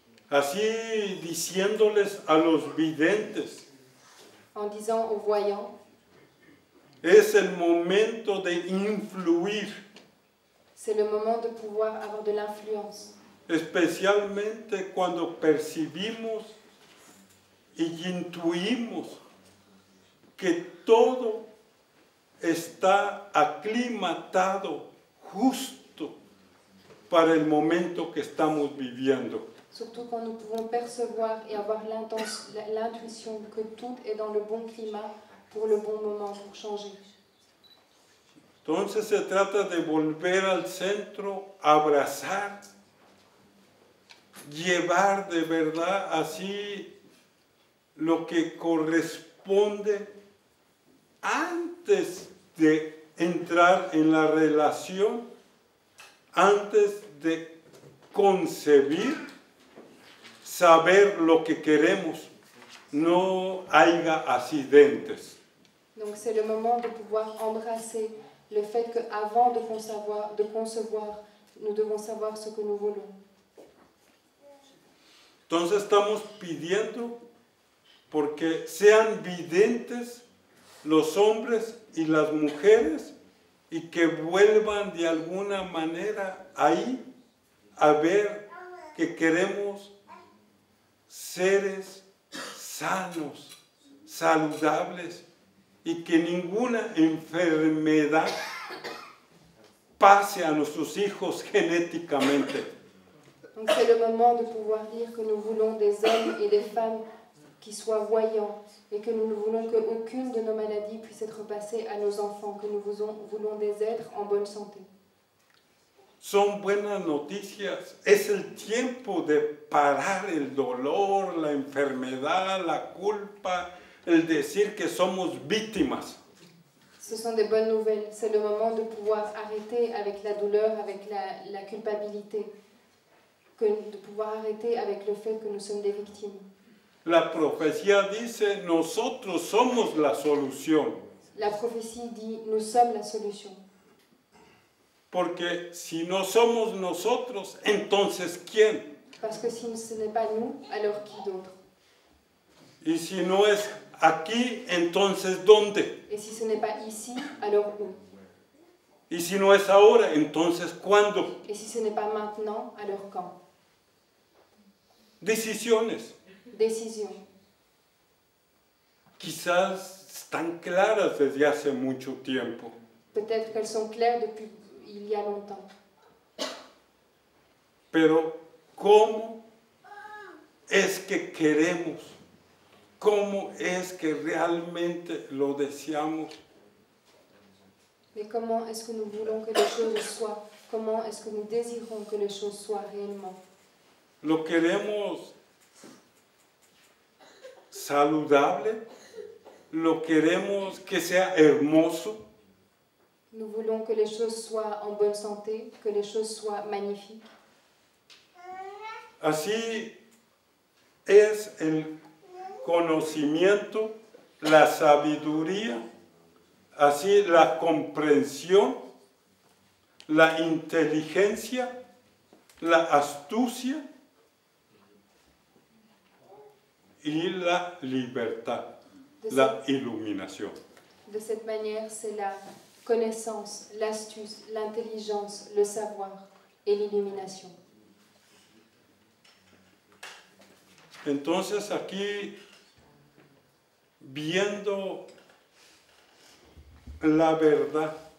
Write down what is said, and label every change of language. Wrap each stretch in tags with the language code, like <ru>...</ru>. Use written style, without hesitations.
<es>Así diciéndoles a los videntes.</es> <fr>En disant aux voyants.</fr> <es>Es el momento de influir.</es> <fr>C'est le moment de pouvoir avoir de l'influence.</fr> <es>Especialmente cuando percibimos y intuimos que todo está aclimatado justo para el momento que estamos viviendo.</es> <fr>Surtout quand nous pouvons percevoir et avoir l'intuition que tout est dans le bon climat. Pour le bon moment, pour changer.</fr> <es>Entonces se trata de volver al centro, abrazar, llevar de verdad así lo que corresponde antes de entrar en la relación, antes de concebir, saber lo que queremos, no haya accidentes.</es> <fr>Donc c'est le moment de pouvoir embrasser le fait que avant de concevoir, nous devons savoir ce que nous voulons.</fr> <es>Entonces estamos pidiendo porque sean videntes los hombres y las mujeres y que vuelvan de alguna manera ahí a ver que queremos seres sanos, saludables. Y que ninguna enfermedad pase a nuestros hijos genéticamente.</es> <fr>Donc c'est le moment de pouvoir dire que nous voulons des hommes et des femmes qui soient voyants et que nous ne voulons que aucune de nos maladies puisse être passée à nos enfants, que nous voulons des êtres en bonne santé.</fr> <es>Son buenas noticias. Es el tiempo de parar el dolor, la enfermedad, la culpa. El decir que somos víctimas.</es> <fr>Ce sont des bonnes nouvelles. C'est le moment de pouvoir arrêter avec la douleur, avec la culpabilité, que de pouvoir arrêter avec le fait que nous sommes des victimes.</fr> <es>La profecía dice nosotros somos la solución.</es> <fr>La prophétie dit nous sommes la solution.</fr> <es>Porque si no somos nosotros, entonces ¿quién?</es> <fr>Parce que si ce n'est pas nous, alors qui d'autre?</fr> <es>Y si no es aquí, entonces, ¿dónde?</es> <fr>Et si ce n'est pas ici, alors où?</fr> <es>Y si no es ahora, entonces, ¿cuándo?</es> <fr>Et si ce n'est pas maintenant, alors quand?</fr> <es>Decisiones. Decisión. Quizás están claras desde hace mucho tiempo.</es> <fr>Peut-être qu'elles sont claires depuis il y a longtemps.</fr> <es>Pero, ¿cómo es que queremos? ¿Cómo es que realmente lo deseamos?</es> <fr>Mais comment est-ce que nous voulons que les choses soient? Comment est-ce que nous désirons que les choses soient réellement?</fr> <es>Lo queremos saludable, lo queremos que sea hermoso.</es> <fr>Nous voulons que les choses soient en bonne santé, que les choses soient magnifiques.</fr> <es>Así es el conocimiento, la sabiduría, así la comprensión, la inteligencia, la astucia y la libertad, la iluminación.</es> <fr>De cette manière, c'est la connaissance, l'astuce, l'intelligence, le savoir et l'illumination.</fr> <es>Entonces aquí, viendo la verdad.</es>